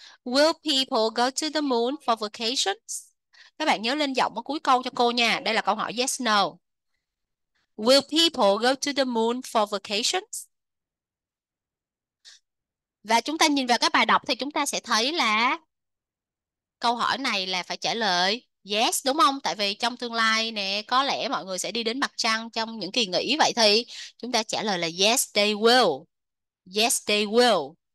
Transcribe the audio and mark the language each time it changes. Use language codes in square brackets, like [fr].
[en] Will people go to the moon for vacations? [vi] Các bạn nhớ lên giọng ở cuối câu cho cô nha. Đây là câu hỏi yes, no. [en] Will people go to the moon for vacations? [vi] Và chúng ta nhìn vào các bài đọc thì chúng ta sẽ thấy là câu hỏi này là phải trả lời yes đúng không? Tại vì trong tương lai nè, có lẽ mọi người sẽ đi đến mặt trăng trong những kỳ nghỉ. Vậy thì chúng ta trả lời là [en] yes, they will. Yes, they will.